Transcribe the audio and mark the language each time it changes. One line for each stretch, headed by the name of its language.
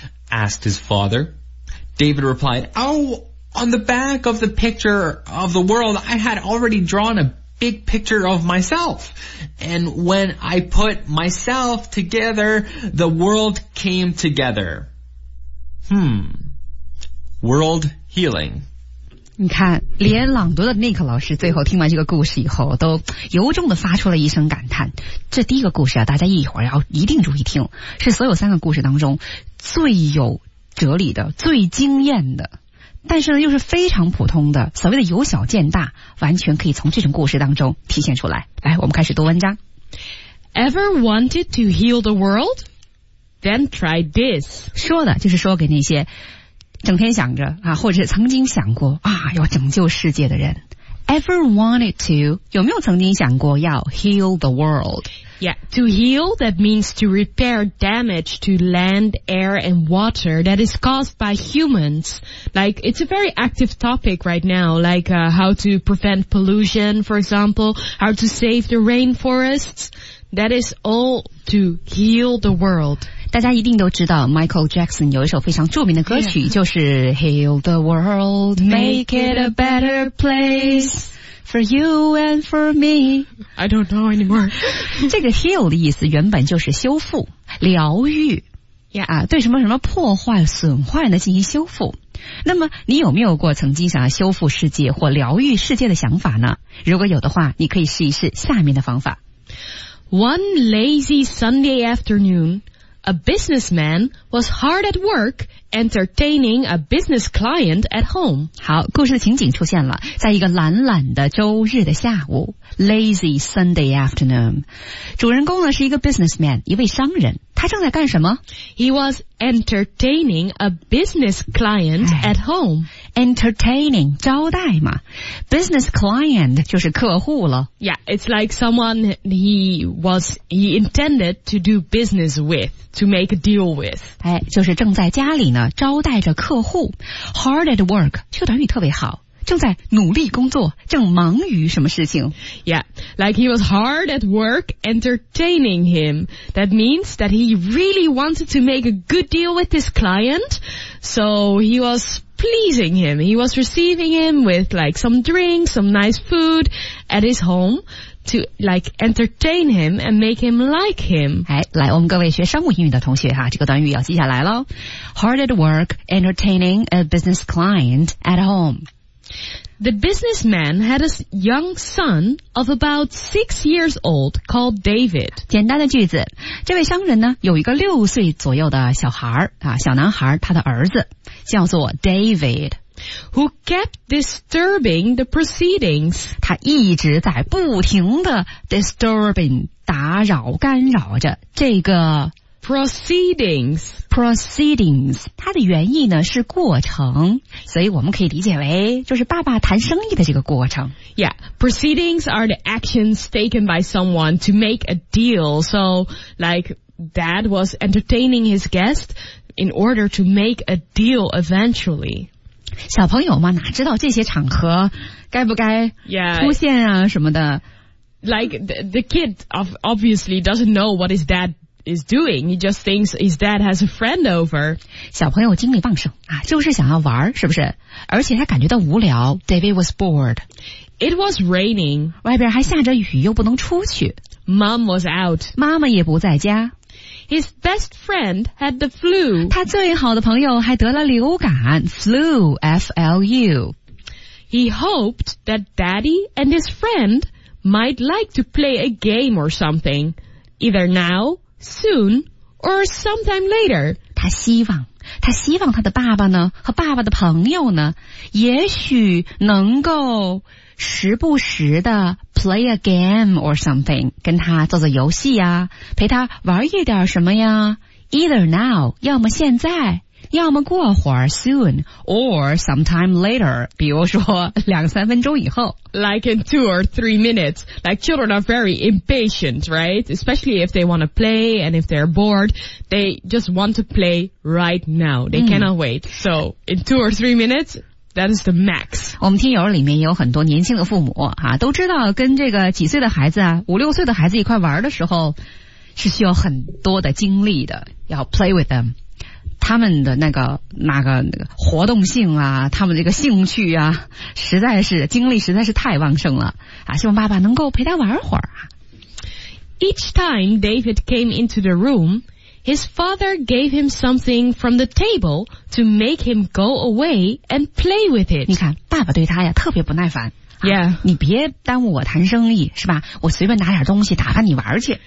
English: Asked his father. David replied, Oh, on the back of the picture of the world, I had already drawn a big picture of myself. And when I put myself together, the world came together. World healing.
Chinese: 你看，连朗读的 Nick 老师最后听完这个故事以后，都由衷的发出了一声感叹。这第一个故事啊，大家一会儿要一定注意听，是所有三个故事当中最有哲理的、最惊艳的，但是呢，又是非常普通的。所谓的由小见大，完全可以从这种故事当中体现出来。来，我们开始读文章。
English: Ever wanted to heal the world? Then try this.
Chinese: 说的就是说给那些整天想着啊，或者曾经想过啊要拯救世界的人。 Ever wanted to, 有没有曾经想过要 heal the world?
English: Yeah, to heal, that means to repair damage to land, air and water that is caused by humans. Like, it's a very active topic right now, like, how to prevent pollution, for example, how to save the rainforests. That is all to heal the world.
Chinese: 大家一定都知道 Michael Jackson 有一首非常著名的歌曲、
English: yeah. 就是 Heal the world, make it a better place for you and for me. I don't know anymore.
Chinese: 这个 heal 的意思原本就是修复、疗愈、
English: yeah.
Chinese: 啊、对什么什么破坏、损坏呢进行修复。那么你有没有过曾经想要修复世界或疗愈世界的想法呢？如果有的话，你可以试一试下面的方法。
English: One lazy Sunday afternoon,A businessman was hard at work entertaining a business client at home.
Chinese: 好，故事的情景出现了，在一个懒懒的周日的下午 ,
English: lazy Sunday afternoon.
Chinese: 主人公呢是一个 businessman, 一位商人。他正在干什么?
English: He was entertaining a business client at home.
Chinese: Entertaining, 招待嘛。
English: Business client
Chinese: 就是客户了。
English: Yeah, it's like someone he intended to do business with, to make a deal with.
Chinese: 哎，就是正在家里呢，招待着客户。
English: Hard at work,
Chinese: 这个短语特别好。正在努力工作，正忙于什么事情。
English: Yeah, like he was hard at work entertaining him. That means that he really wanted to make a good deal with this client. So he was pleasing him. He was receiving him with like some drinks, some nice food at his home to like entertain him and make him like him.
Chinese: 哎，来，我们各位学商务英语的同学哈，这个短语要记下来咯。
English: Hard at work entertaining a business client at home. The businessman had a young son of about 6 years old called David.
Chinese: 简单的句子，这位商人呢有一个六岁左右的小孩啊，小男孩，他的儿子叫做 David。
English: Who kept disturbing the proceedings?
Chinese: 他一直在不停的 disturbing, 打扰干扰着这个
English: proceedings.
Chinese: Proceedings, 它的原意呢是过程，所以我们可以理解为就是爸爸谈生意的这个过程。
English: Yeah, proceedings are the actions taken by someone to make a deal. So, like, dad was entertaining his guest in order to make a deal eventually.
Chinese: 小朋友嘛，哪知道这些场合该不该出现啊、
English: yeah.
Chinese: 什么的。
English: Like, the kid obviously doesn't know what his dad is doing. He just thinks his dad has a friend over.
Chinese: 小朋友精力旺盛啊，就是想要玩，是不是？而且他感觉到无聊。
English: David was bored. It was raining.
Chinese: 外边还下着雨，又不能出去。
English: Mom was out.
Chinese: 妈妈也不在家。
English: His best friend had the flu.
Chinese: 他最好的朋友还得了流感 ,flu, F-L-U.
English: He hoped that daddy and his friend might like to play a game or something, either now, soon, or sometime later.
Chinese: 他希望他的爸爸呢和爸爸的朋友呢也许能够时不时的
English: play a game or something,
Chinese: 跟他做做游戏呀，陪他玩一点什么呀，
English: either now,
Chinese: 要么现在，要么过会儿
English: soon, or sometime later,
Chinese: 比如说两三分钟以后。
English: Like in 2 or 3 minutes, like children are very impatient, right? Especially if they want to play and if they're bored, they just want to play right now. They cannot wait. So in 2 or 3 minutes,That is the max.
Chinese: 我们听友里面也有很多年轻的父母啊，都知道跟这个几岁的孩子啊，五六岁的孩子一块玩的时候是需要很多的精力的，要
English: play with them。
Chinese: 他们的那个活动性啊，他们这个兴趣啊，实在是精力实在是太旺盛了啊，希望爸爸能够陪他玩会儿啊。
English: Each time David came into the room,His father gave him something from the table to make him go away and play with it.
Chinese: 你看爸爸对他呀特别不耐烦。
English: Yeah.
Chinese: 你别耽误我谈生意是吧，我随便拿点东西打发你玩去。